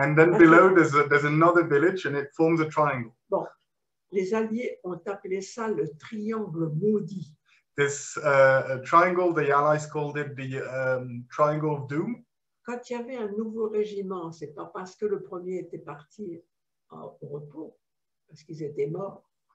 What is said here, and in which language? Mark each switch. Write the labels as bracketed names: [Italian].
[English] And then below, there's another village and it forms a triangle. [French] Bon, les Alliés ont appelé ça le triangle maudit. [English] This triangle, the Allies called it the triangle of doom. [French] Quand il y avait un nouveau régiment, c'est pas parce que le premier était parti au repos, parce qu'ils étaient morts.